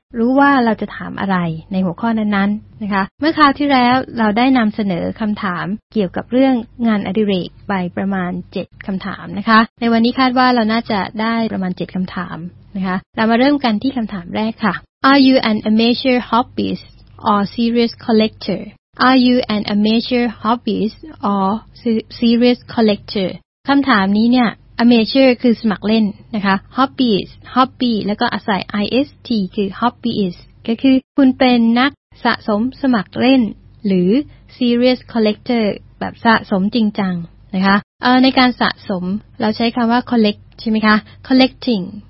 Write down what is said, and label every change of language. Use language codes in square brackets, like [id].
[th] รู้ว่าเราจะถามอะไรในหัวข้อนั้นๆนะคะเมื่อคราวที่แล้วเราได้นำเสนอคำถามเกี่ยวกับเรื่องงานอดิเรกไปประมาณ7คำถามนะคะในวันนี้คาดว่าเราน่าจะได้ประมาณ7คำถามนะคะเรามาเริ่มกันที่คำถามแรกค่ะ [en] Are you an amateur hobbyist or serious collector? Are you an amateur hobbyist or serious collector? [th] คำถามนี้เนี่ยAmateur คือสมัครเล่นนะคะ Hobbies Hobby แล้วก็อาศัย IST คือ Hobbyist ก็คือคุณเป็นนักสะสมสมัครเล่นหรือ Serious Collector แบบสะสมจริงจังนะคะในการสะสมเราใช้คำว่า Collect ใช่ไหมคะ Collecting